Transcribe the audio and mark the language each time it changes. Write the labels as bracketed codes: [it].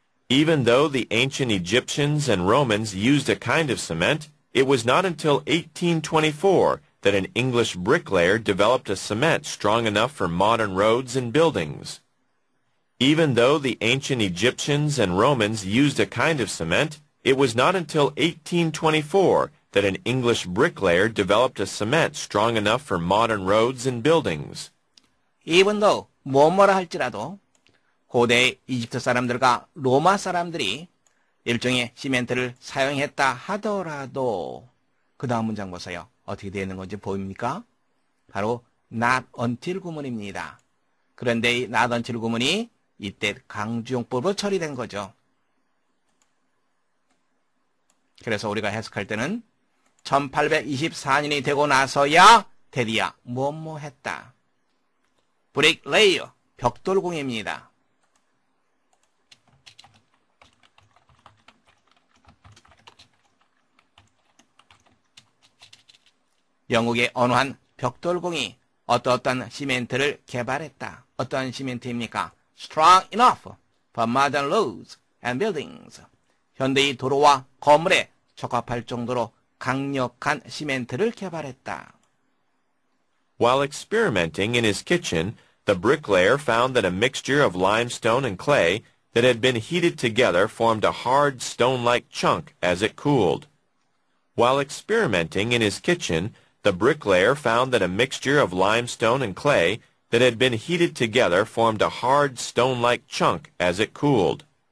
[en] Even though the ancient Egyptians and Romans used a kind of cement, it was not until 1824 that an English bricklayer developed a cement strong enough for modern roads and buildings. Even though the ancient Egyptians and Romans used a kind of cement, It was not until 1824 that an English bricklayer developed a cement strong enough for modern roads and buildings. [ko] 이분도 뭐뭐라 할지라도 고대 이집트 사람들과 로마 사람들이 일종의 시멘트를 사용했다 하더라도 그 다음 문장 보세요. 어떻게 되는 건지 보입니까? 바로 not until 구문입니다. 그런데 이 not until 구문이 이때 강조용법으로 처리된 거죠. 그래서 우리가 해석할 때는 1824년이 되고 나서야 대디야 뭐뭐 했다. [en] Brick layer, [ko] 벽돌공예입니다. 영국의 어느 한 벽돌공이 어떠한 시멘트를 개발했다. 어떠한 시멘트입니까? [en] Strong enough for modern roads and buildings. [ko] 현대의 도로와 건물에 적합할 정도로 강력한 시멘트를 개발했다. [en] While experimenting in his kitchen, the bricklayer found that a mixture of limestone and clay that had been heated together formed a hard stone-like chunk as it cooled. While experimenting in his kitchen, the bricklayer found that a mixture of limestone and clay that had been heated together formed a hard stone-like chunk as it cooled.